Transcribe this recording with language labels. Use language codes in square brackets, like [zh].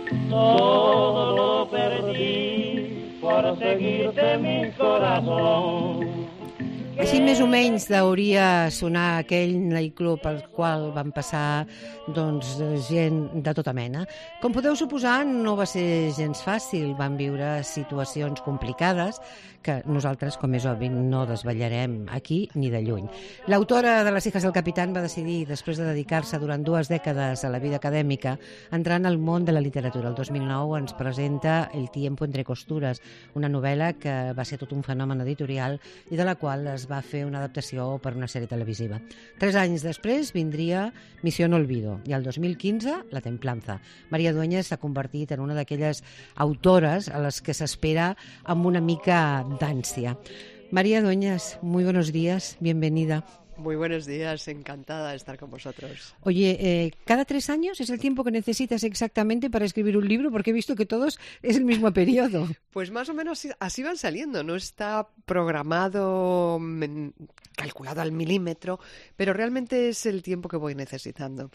[es] Todo lo perdí por seguirte mi corazón. [ca] Així més o menys hauria sonar aquell nightclub al qual van passar doncs gent de tota mena. Com podeu suposar, no va ser gens fàcil. Van viure situacions complicades que nosaltres, com és obvi, no desvetllarem aquí ni de lluny. L'autora de Les Hijas del Capitán va decidir, després de dedicar-se durant dues dècades a la vida acadèmica, entrar en el món de la literatura. El 2009 ens presenta El tiempo entre costuras, una novel·la que va ser tot un fenomen editorial i de la qual es va fer una adaptació per una sèrie televisiva. Tres anys després vindria Misión Olvido i el 2015 La Templanza. Maria Dueñas s'ha convertit en una d'aquelles autores a les que s'espera amb una mica d'ànsia. [es] Maria Dueñas, muy buenos días, bienvenida. Muy buenos días, encantada de estar con vosotros. Oye, ¿cada tres años es el tiempo que necesitas exactamente para escribir un libro? Porque he visto que todos es el mismo periodo. Pues más o menos así van saliendo. No está programado, calculado al milímetro, pero realmente es el tiempo que voy necesitando.